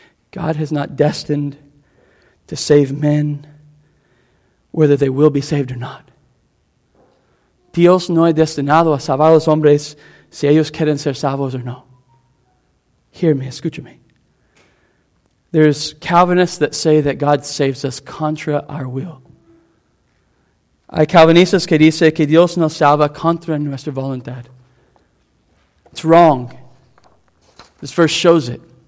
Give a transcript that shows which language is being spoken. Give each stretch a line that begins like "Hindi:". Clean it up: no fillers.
English: God has not destined to save men whether they will be saved or not.
Spanish: Dios no ha destinado a salvar a los hombres si ellos quieren ser salvos o no.
English: Hear me,
Spanish: escúchame.
English: There's Calvinists that say that God saves us contra our will.
Spanish: Hay Calvinistas que dicen que Dios nos salva contra nuestra voluntad.
English: It's wrong. This verse shows it.